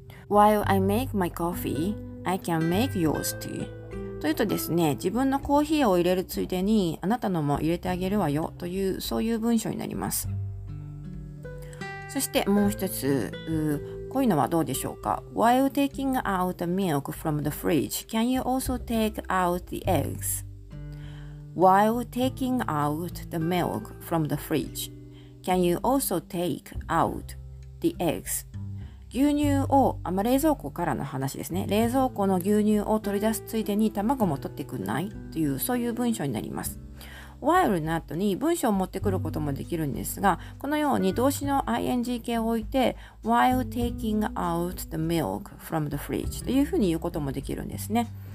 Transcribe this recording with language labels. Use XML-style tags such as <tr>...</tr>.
<en>While I make my coffee, I can make yours too.</en> <ja>というとですね、自分のコーヒーを入れるついでにあなたのも入れてあげるわよという、そういう文章になります。そしてもう一つ、こういうのはどうでしょうか。</ja> <en>While taking out the milk from the fridge, can you also take out the eggs? While taking out the milk from the fridge, can you also take out the eggs?</en> <ja>牛乳を、冷蔵庫からの話ですね。冷蔵庫の牛乳を取り出すついでに卵も取ってくんない? という、そういう文章になります。 While の後に文章を持ってくることもできるんですが、このように動詞の ing 形を置いて、</ja> <en>While taking out the milk from the fridge</en> <ja>というふうに言うこともできるんですね。</ja>